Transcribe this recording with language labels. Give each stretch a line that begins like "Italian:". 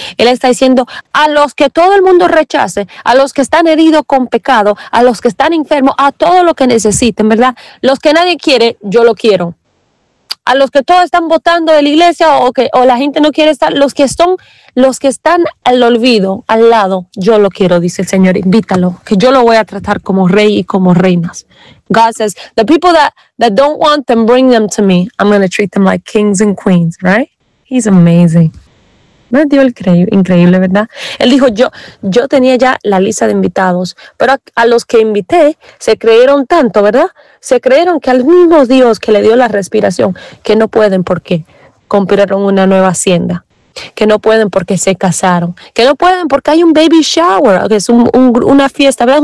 Spanish: Él está diciendo a los que todo el mundo rechace, a los que están heridos con pecado, a los que están enfermos, a todo lo que necesiten, ¿verdad? Los que nadie quiere, yo lo quiero. A los que todos están votando de la iglesia o la gente no quiere estar, los que están al olvido, al lado, yo lo quiero, dice el Señor, invítalo, que yo lo voy a tratar como rey y como reinas.
English: God says, the people that don't want them, bring them to me. I'm going to treat them like kings and queens, right? He's amazing.
Spanish: Me dio el increíble, ¿verdad? Él dijo, yo tenía ya la lista de invitados, pero a los que invité se creyeron tanto, ¿verdad? Se creyeron que al mismo Dios que le dio la respiración, que no pueden porque compraron una nueva hacienda. que no pueden porque se casaron, que no pueden porque hay un baby shower, que es una fiesta, ¿verdad?